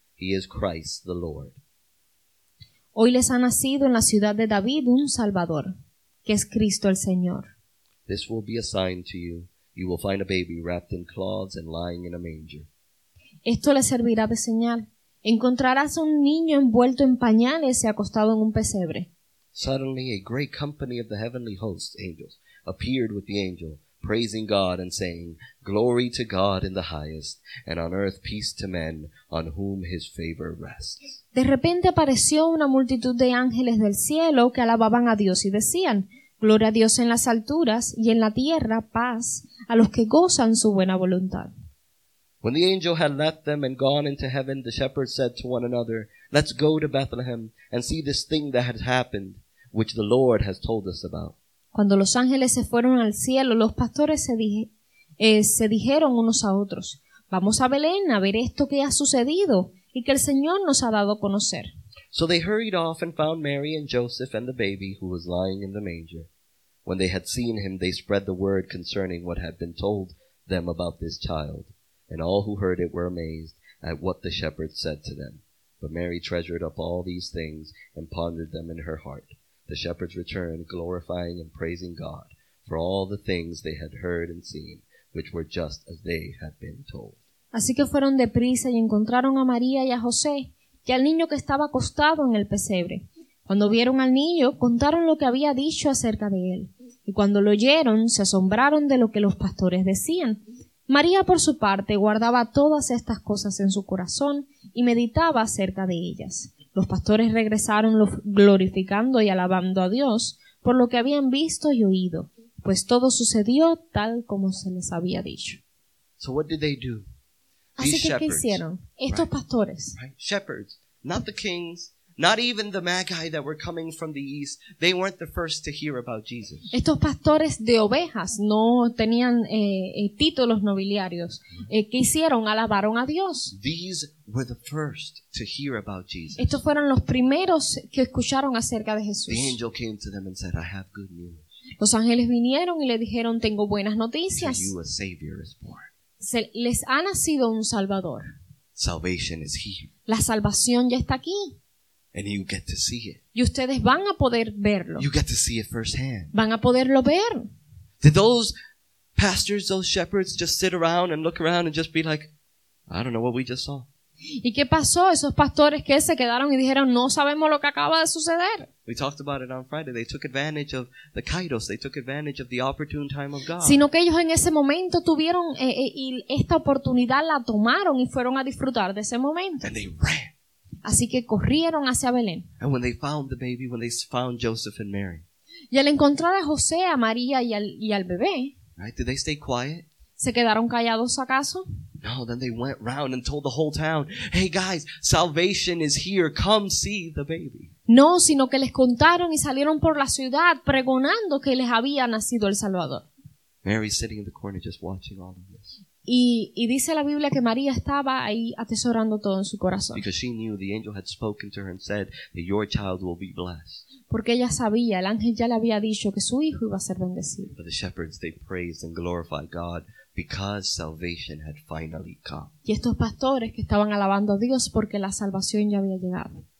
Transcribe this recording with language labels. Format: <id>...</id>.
<en>He is Christ the Lord.</en> <es>Hoy les ha nacido en la ciudad de David un Salvador, que es Cristo el Señor.</es> <en>This will be a sign to you. You will find a baby wrapped in cloths and lying in a manger.</en> <es>Esto le servirá de señal. Encontrarás a un niño envuelto en pañales y acostado en un pesebre.</es> <en>Suddenly, a great company of the heavenly hosts, angels, appeared with the angel, praising God and saying, "Glory to God in the highest, and on earth peace to men on whom his favor rests."</en> <es>De repente apareció una multitud de ángeles del cielo que alababan a Dios y decían, "Gloria a Dios en las alturas y en la tierra paz a los que gozan su buena voluntad."</es> <en>When the angel had left them and gone into heaven, the shepherds said to one another, "Let's go to Bethlehem and see this thing that has happened, which the Lord has told us about."</en> <es>Cuando los ángeles se fueron al cielo, los pastores se dijeron unos a otros, "Vamos a Belén a ver esto que ha sucedido y que el Señor nos ha dado a conocer."</es> <en>So they hurried off and found Mary and Joseph and the baby who was lying in the manger. When they had seen him, they spread the word concerning what had been told them about this child. And all who heard it were amazed at what the shepherds said to them. But Mary treasured up all these things and pondered them in her heart. The shepherds returned, glorifying and praising God for all the things they had heard and seen, which were just as they had been told.</en> <es>Así que fueron de prisa y encontraron a María y a José y al niño que estaba acostado en el pesebre. Cuando vieron al niño, contaron lo que había dicho acerca de él. Y cuando lo oyeron, se asombraron de lo que los pastores decían. María, por su parte, guardaba todas estas cosas en su corazón y meditaba acerca de ellas. Los pastores regresaron glorificando y alabando a Dios por lo que habían visto y oído, pues todo sucedió tal como se les había dicho.</es> <en>So what did they do?</en> <es>Así que, ¿qué hicieron? Estos pastores.</es> <en>Right. Shepherds, not the kings, not even the magi that were coming from the east, they weren't the first to hear about Jesus.</en> <es>Estos pastores de ovejas no tenían títulos nobiliarios. ¿Qué hicieron? Alabaron a Dios.</es> <en>These were the first to hear about Jesus.</en> <es>Estos fueron los primeros que escucharon acerca de Jesús.</es> <en>The angel came to them and said, "I have good news."</en> <es>Los ángeles vinieron y le dijeron, "Tengo buenas noticias."</es> <en>To you a savior is born.</en> <es>Les ha nacido un salvador.</es> <en>Salvation is here.</en> <es>La salvación ya está aquí.</es> <en>And you get to see it.</en> <es>Y ustedes van a poder verlo.</es> <en>You get to see it firsthand.</en> <es>Van a poderlo ver.</es> <en>Did those pastors, those shepherds, just sit around and look around and just be like, "I don't know what we just saw"?</en> <es>¿Y qué pasó? Esos pastores que se quedaron y dijeron, "No sabemos lo que acaba de suceder."</es> <en>We talked about it on Friday. They took advantage of the kairos. They took advantage of the opportune time of God.</en> <es>Sino que ellos en ese momento tuvieron y esta oportunidad la tomaron y fueron a disfrutar de ese momento.</es> <en>And they ran.</en> <es>Así que corrieron hacia Belén.</es> <en>And when they found the baby, when they found Joseph and Mary.</en> <es>Y al encontrar a José, a María y al bebé.</es> <en>Right? Did they stay quiet?</en> <es>¿Se quedaron callados acaso?</es> <en>No, then they went round and told the whole town, "Hey guys, salvation is here. Come see the baby."</en> <es>No, sino que les contaron y salieron por la ciudad pregonando que les había nacido el Salvador.</es> <en>Mary's sitting in the corner just watching all of this.</en> <es>Y dice la Biblia que María estaba ahí atesorando todo en su corazón.</es> <en>Because she knew the angel had spoken to her and said that your child will be blessed.</en> <es>Porque ella sabía, el ángel ya le había dicho que su hijo iba a ser bendecido.</es> <en>But the shepherds, they praised and glorified God because salvation had finally come.</en> <es>Y estos pastores que estaban alabando a Dios porque la salvación ya había llegado.</es>